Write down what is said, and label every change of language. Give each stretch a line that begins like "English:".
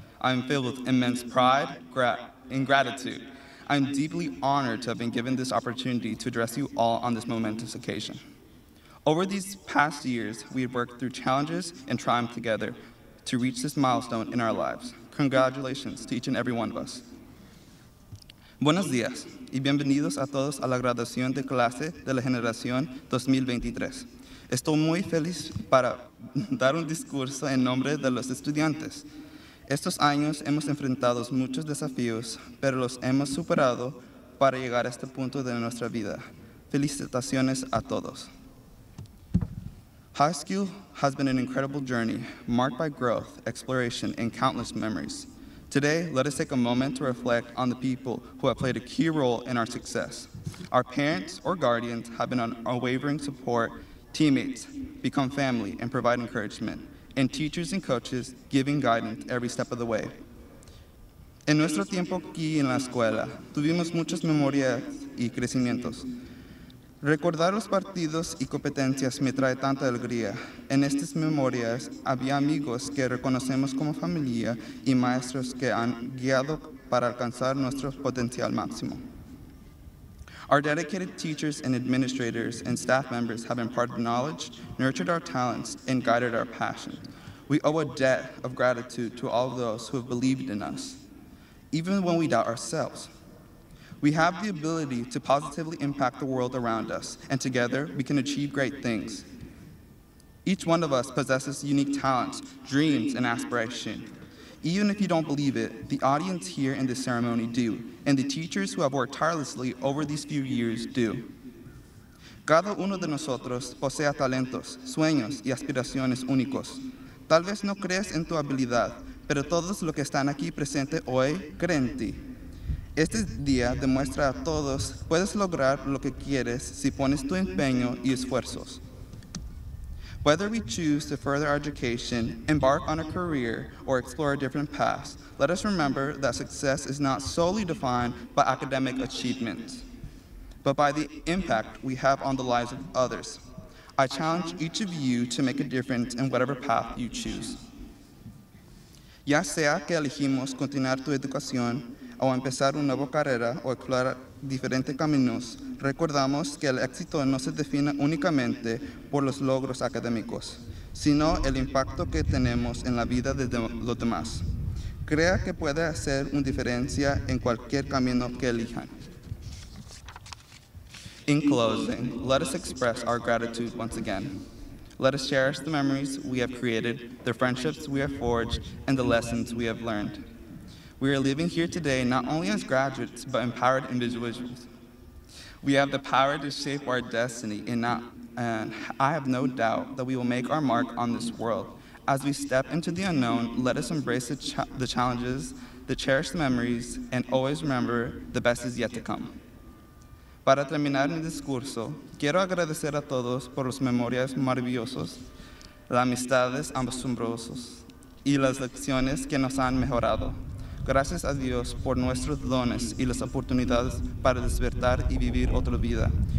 English: I'm filled with immense pride and gratitude. I'm deeply honored to have been given this opportunity to address you all on this momentous occasion. Over these past years, we have worked through challenges and triumphs together to reach this milestone in our lives. Congratulations to each and every one of us.
Spanish: Buenos días y bienvenidos a todos a la graduación de clase de la generación 2023. Estoy muy feliz para dar un discurso en nombre de los estudiantes. Estos años hemos enfrentado muchos desafíos, pero los hemos superado para llegar a este punto de nuestra vida. Felicitaciones a todos.
English: High school has been an incredible journey marked by growth, exploration, and countless memories. Today, let us take a moment to reflect on the people who have played a key role in our success. Our parents or guardians have been an unwavering support, teammates become family and provide encouragement, and teachers and coaches giving guidance every step of the way.
Spanish: En nuestro tiempo aquí en la escuela, tuvimos muchas memorias y crecimientos. Recordar los partidos y competencias me trae tanta alegría. En estas memorias había amigos que reconocemos como familia y maestros que han guiado para alcanzar nuestro potencial máximo.
English: Our dedicated teachers and administrators and staff members have imparted knowledge, nurtured our talents, and guided our passion. We owe a debt of gratitude to all of those who have believed in us, even when we doubt ourselves. We have the ability to positively impact the world around us, and together we can achieve great things. Each one of us possesses unique talents, dreams, and aspiration. Even if you don't believe it, the audience here in this ceremony do, and the teachers who have worked tirelessly over these few years do.
Spanish: Cada uno de nosotros posee talentos, sueños, y aspiraciones únicos. Tal vez no creas en tu habilidad, pero todos los que están aquí presentes hoy creen en ti. Este día demuestra a todos puedes lograr lo que quieres si pones tu empeño y esfuerzos.
English: Whether we choose to further our education, embark on a career, or explore a different path, let us remember that success is not solely defined by academic achievements, but by the impact we have on the lives of others. I challenge each of you to make a difference in whatever path you choose.
Spanish: Ya sea que elegimos continuar tu educación o empezar una nueva carrera o explorar diferentes caminos, recordamos que el éxito no se define únicamente por los logros académicos, sino el impacto que tenemos en la vida de los demás. Crea que puede hacer una diferencia en cualquier camino que elijan.
English: In closing, let us express our gratitude once again. Let us cherish the memories we have created, the friendships we have forged, and the lessons we have learned. We are living here today not only as graduates, but empowered individuals. We have the power to shape our destiny, and I have no doubt that we will make our mark on this world. As we step into the unknown, let us embrace the challenges, the cherished memories, and always remember the best is yet to come.
Spanish: Para terminar mi discurso, quiero agradecer a todos por los memorias maravillosos, las amistades asombrosas y las lecciones que nos han mejorado. Gracias a Dios por nuestros dones y las oportunidades para despertar y vivir otra vida.